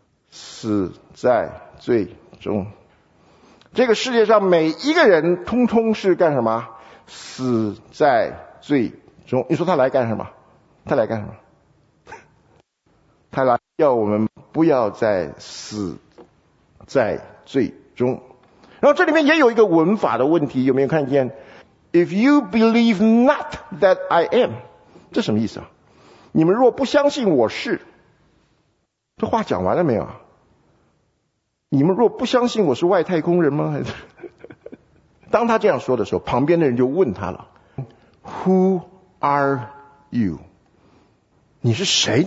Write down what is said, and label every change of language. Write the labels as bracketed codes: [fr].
[zh] 死在罪中。这个世界上每一个人通通是干什么？死在罪中。你说他来干什么？他来干什么？他来要我们不要再死在罪中。然后这里面也有一个文法的问题，有没有看见？ [en] If you believe not that I am， [zh] 这什么意思啊？你们若不相信我是，这话讲完了没有啊？你们若不相信我是外太空人吗？当他这样说的时候，旁边的人就问他了， [en] Who are you？ [zh] 你是谁？